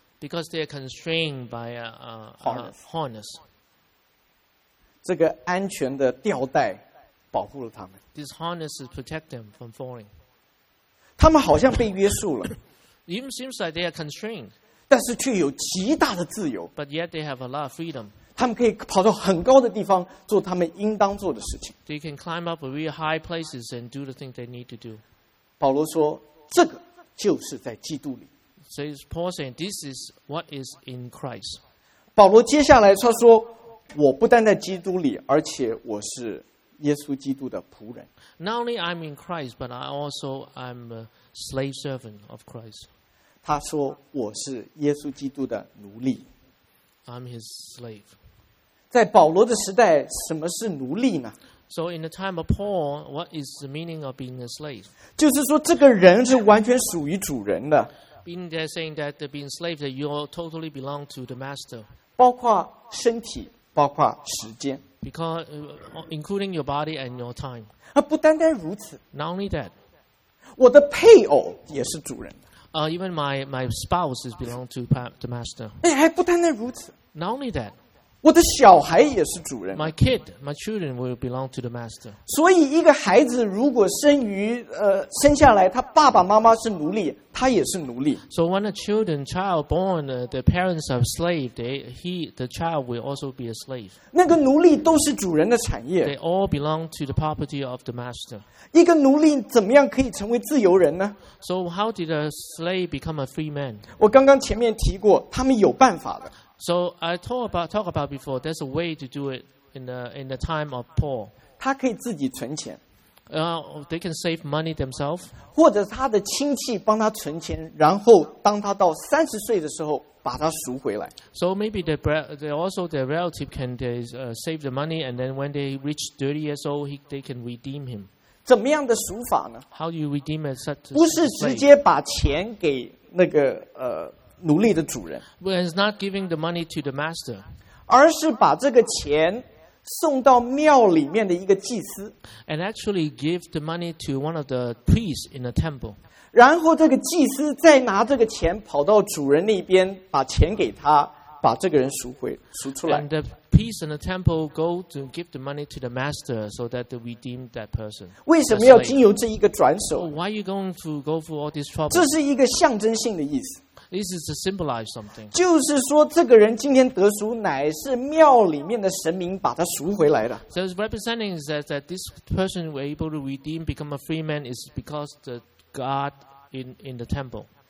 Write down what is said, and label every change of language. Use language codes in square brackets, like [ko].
[en] Because they are constrained by a harness. [zh] 这个安全的吊带保护了他们。 [en] This harness is protect them from falling. [zh] 他们好像被约束了。 [en] Even seems like they are constrained. [zh] 但是却有极大的自由。 [en] But yet they have a lot of freedom. [zh] 他们可以跑到很高的地方做他们应当做的事情。 [en] They can climb up really high places and do the thing they need to do. [zh] 保罗说，这个就是在基督里。 [en] So Paul saying, this is what is in Christ. [zh] 保罗接下来他说。我不但在基督里，而且我是耶稣基督的仆人。 [en] Not only I'm in Christ, but I also am a slave servant of Christ. [zh] 他说我是耶稣基督的奴隶。 [en] I'm his slave. [zh] 在保罗的时代，什么是奴隶呢 [en] ？So in the time of Paul, what is the meaning of being a slave? [zh] 就是说，这个人是完全属于主人的。 [en] Being they're saying that being slave that you all totally belong to the master. [zh] 包括身体。包括时间 [en] ，because including your body and your time. [zh] 啊，不单单如此 [en] ，not only that， [zh] 我的配偶也是主人。 [en] Even my spouse is belong to the master. [zh] 哎，还不单单如此 [en] ，not only that， [zh] 我的小孩也是主人。 [en] My children will belong to the master. [zh] 所以，一个孩子如果生于生下来，他爸爸妈妈是奴隶，他也是奴隶。 [en] So when a child born, the parents are slave. The child will also be a slave. [zh] 那个奴隶都是主人的产业。 [en] They all belong to the property of the master. [zh] 一个奴隶怎么样可以成为自由人呢 [en] ？So how did a slave become a free man? [zh] 我刚刚前面提过，他们有办法的。 [en] So I talk about before. There's a way to do it in the time of Paul. [zh] 他可以自己存钱。 [en] They can save money themselves. [zh] 或者他的亲戚帮他存钱，然后当他到三十岁的时候把他赎回来。 [en] So maybe their relative can save the money, and then when they reach 30 years old, they can redeem him. [zh] 怎么样的赎法呢 [en] ？How do you redeem it? [zh] 不是直接把钱给那个奴隶的主人。 [en] But it's not giving the money to the master. [zh] 而是把这个钱。送到庙里面的一个祭司 [en] ，and actually give the money to one of the priests in the temple. [zh] 然后这个祭司再拿这个钱跑到主人那边，把钱给他，把这个人赎出来。 [en] And the priest in the temple go to give the money to the master so that they redeem that person. [zh] 为什么要经由这一个转手 [en] ？Why are you going to go through all this trouble? [zh] 这是一个象征性的意思。 [en] This is to symbolize something. [zh] 就是说，这个人今天得赎，乃是庙里面的神明把他赎回来的。 [en] So it's representing that this person were able to redeem, become a free man, is because the God in the temple.